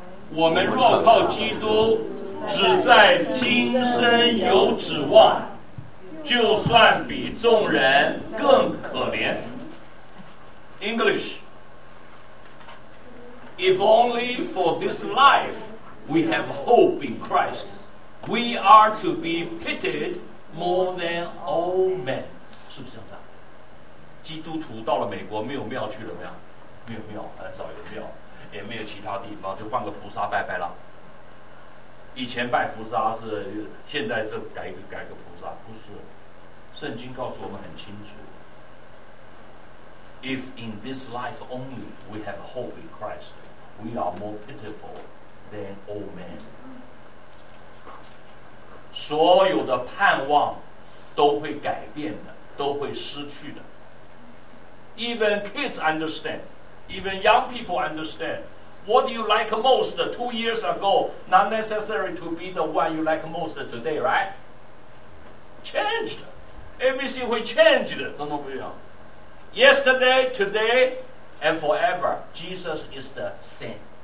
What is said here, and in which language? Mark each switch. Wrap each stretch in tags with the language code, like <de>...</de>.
<zh>我们若靠基督只在今生有指望，就算比众人更可怜。</zh> <en>EnglishIf only for this life we have hope in Christ, we are to be pitied more than all men.</en> <zh>是不是这样的？基督徒到了美国没有庙去了没有？没有庙，很少有庙，也没有其他地方，就换个菩萨拜拜了。以前拜菩萨是，现在是改个菩萨，不是。圣经告诉我们很清楚。</zh> <en>If in this life only we have hope in Christ, we are more pitiful than all men.</en> <zh>所有的盼望都会改变的，都会失去的。</zh> <en>Even kids understand, even young people understand. What you like most 2 years ago, not necessary to be the one you like most today, right? Changed. Everything will change.</en> <zh>懂不懂？</zh> <en>Yesterday, today, and forever, Jesus is the same.</en>